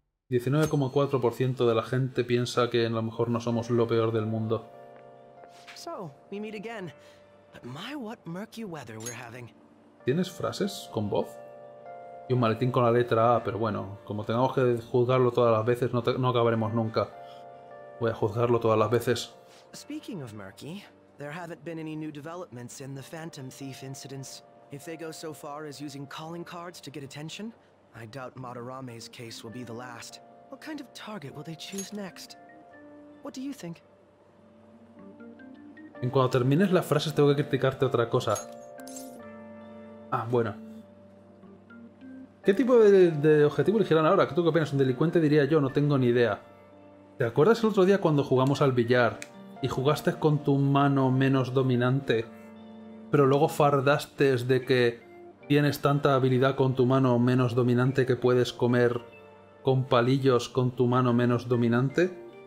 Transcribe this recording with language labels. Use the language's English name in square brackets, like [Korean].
[Spanish] ¿19,4% de la gente piensa que a lo mejor no somos lo peor del mundo? [English] So, we meet again. But my what murky weather we're having. [Spanish] ¿Tienes frases con voz? Y un maletín con la letra A, pero bueno, como tengamos que juzgarlo todas las veces, no acabaremos nunca. Voy a juzgarlo todas las veces. [English] Speaking of murky, there haven't been any new developments in the Phantom Thief incidents. If they go so far as using calling cards to get attention, I doubt Madarame's case will be the last. What kind of target will they choose next? What do you think? [Spanish] En cuando termines las frases tengo que criticarte otra cosa. Ah, bueno. ¿Qué tipo de objetivo elegirán ahora? ¿Tú qué opinas? ¿Un delincuente? Diría yo, no tengo ni idea. ¿Te acuerdas el otro día cuando jugamos al billar y jugaste con tu mano menos dominante, pero luego fardaste de que tienes tanta habilidad con tu mano menos dominante que puedes comer con palillos con tu mano menos dominante?